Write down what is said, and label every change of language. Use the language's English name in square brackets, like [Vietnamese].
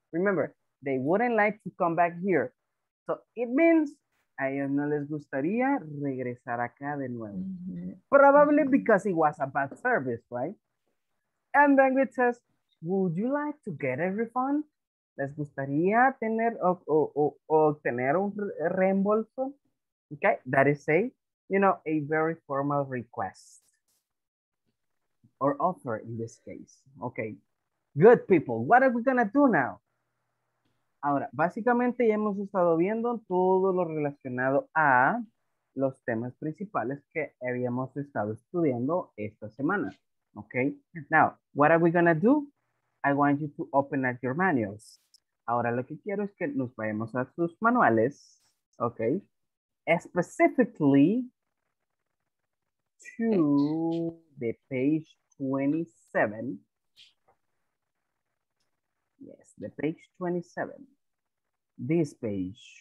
[English] Remember, they wouldn't like to come back here. So it means [Spanish] a ellos no les gustaría regresar acá de nuevo. Mm-hmm. [English] Probably because it was a bad service, right? And then it says, would you like to get a refund? [Spanish] ¿Les gustaría tener obtener un reembolso? [English] Okay, that is a, you know, a very formal request or offer in this case. Okay, good people. What are we gonna do now? [Spanish] Ahora, básicamente ya hemos estado viendo todo lo relacionado a los temas principales que habíamos estado estudiando esta semana. [English] Okay, now, what are we gonna do? I want you to open up your manuals. [Spanish] Ahora lo que quiero es que nos vayamos a sus manuales, okay? [English] Specifically to the page 27. Yes, the page 27. This page.